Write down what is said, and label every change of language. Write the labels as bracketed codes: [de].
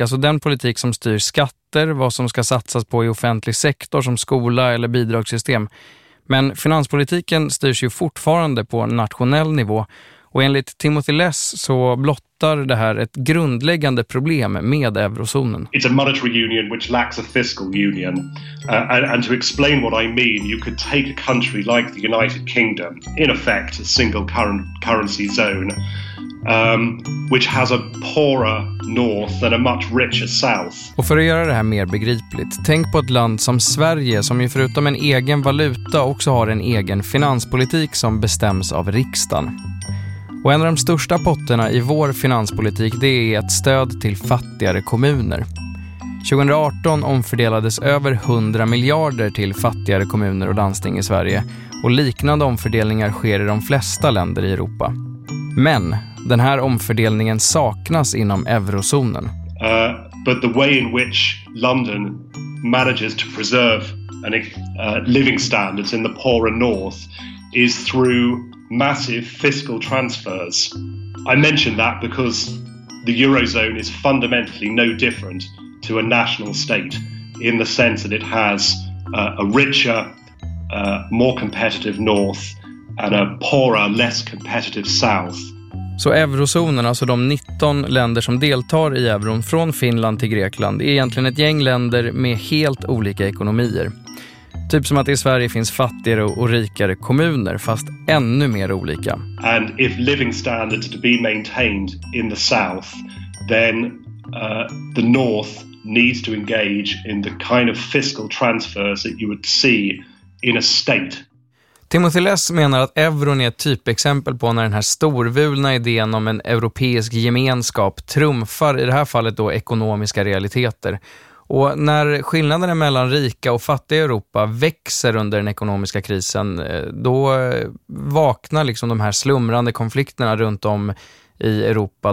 [sv] Alltså den politik som styr skatter, vad som ska satsas på i offentlig sektor som skola eller bidragssystem. Men finanspolitiken styrs ju fortfarande på nationell nivå. Och enligt Timothy Less så blottar det här ett grundläggande problem med eurozonen. [en] It's a monetary union which lacks a fiscal union. And to explain what I mean, you could take a country like the United Kingdom, in effect a single currency zone, which has a poorer north than a much richer south. [sv] Och för att göra det här mer begripligt, tänk på ett land som Sverige som ju förutom en egen valuta också har en egen finanspolitik som bestäms av riksdagen. Och en av de största potterna i vår finanspolitik, det är ett stöd till fattigare kommuner. 2018 omfördelades över 100 miljarder till fattigare kommuner och landsting i Sverige, och liknande omfördelningar sker i de flesta länder i Europa. Men den här omfördelningen saknas inom eurozonen. [en] But the way in which London manages to preserve an living standards in the poorer north is through massive fiscal transfers. I mention that because the eurozone is fundamentally no different to a national state in the sense that it has a richer, more competitive north and a poorer, less competitive south. [sv] Så eurozonen, alltså de 19 länder som deltar i euron från Finland till Grekland, är egentligen ett gäng länder med helt olika ekonomier. Typ som att i Sverige finns fattigare och rikare kommuner, fast ännu mer olika. [en] And if living standards to be maintained in the south, then the north needs to engage in the kind of fiscal transfers that you would see in a state. [sv] Timothy Less menar att euron är ett typexempel på när den här storvulna idén om en europeisk gemenskap trumfar i det här fallet då ekonomiska realiteter. Och när skillnaderna mellan rika och fattiga Europa växer under den ekonomiska krisen, då vaknar liksom de här slumrande konflikterna runt om i Europa.